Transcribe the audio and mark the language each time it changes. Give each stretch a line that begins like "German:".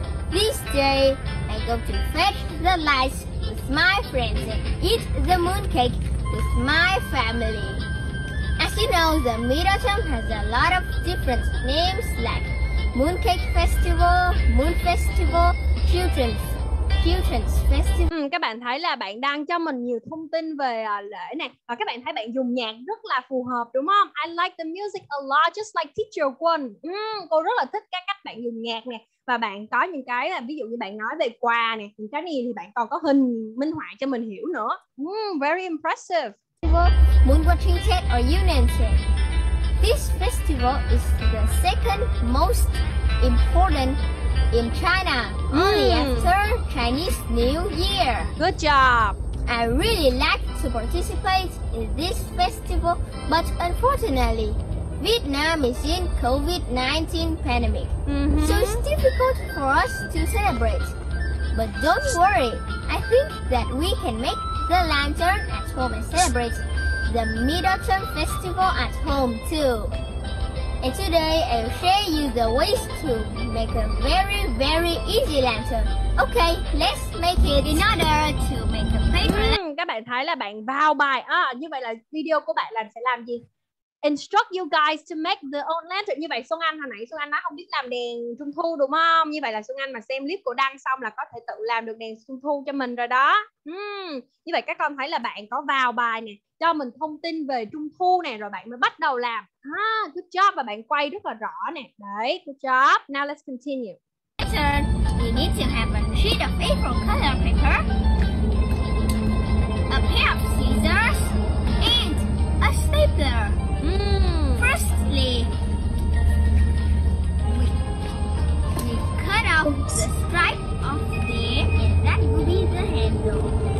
English: This day, I go to fetch the lights with my friends and eat the mooncake with my family. As you know, the midterm has a lot of different names like Mooncake Festival, Moon Festival, Children's Festival.
Vietnamese: Các bạn thấy là bạn đang cho mình nhiều thông tin về lễ này. Và các bạn thấy bạn dùng nhạc rất là phù hợp đúng không?
English: I like the music a lot, just like Teacher Quân.
Vietnamese: Cô rất là thích các cách bạn dùng nhạc nè. Và bạn có những cái là ví dụ như bạn nói về quà nè. Những cái này thì bạn còn có hình minh họa cho mình hiểu nữa.
English: Very impressive. Moon Watching Chat or Union Chat. This festival is the second most important in China, only after Chinese New Year. Good job! I really like to participate in this festival, but unfortunately, Vietnam is in COVID-19 pandemic, so it's difficult for us to celebrate. But don't worry, I think that we can make the lantern at home and celebrate the midterm festival at home too. And today I'll show you the ways to make a very, very easy lantern. Okay, let's make it in order to make a paper.
Vietnamese: Các bạn thấy là bạn vào bài như vậy là video của bạn là sẽ làm gì?
English: Instruct you guys to make the own lantern.
Vietnamese: Như vậy Xuân Anh hồi nãy Xuân Anh nói không biết làm đèn trung thu đúng không? Như vậy là Xuân Anh mà xem clip của Đăng xong là có thể tự làm được đèn trung thu cho mình rồi đó. Như vậy các con thấy là bạn có vào bài nè, cho mình thông tin về trung thu nè, rồi bạn mới bắt đầu làm.
English: Good job,
Vietnamese: và bạn quay rất là rõ nè.
English: Đấy, good job. Now let's continue. You need to have a sheet of paper, color paper, a pair of scissors, and a stapler. Firstly, we cut out the stripe of the end, and that will be the handle.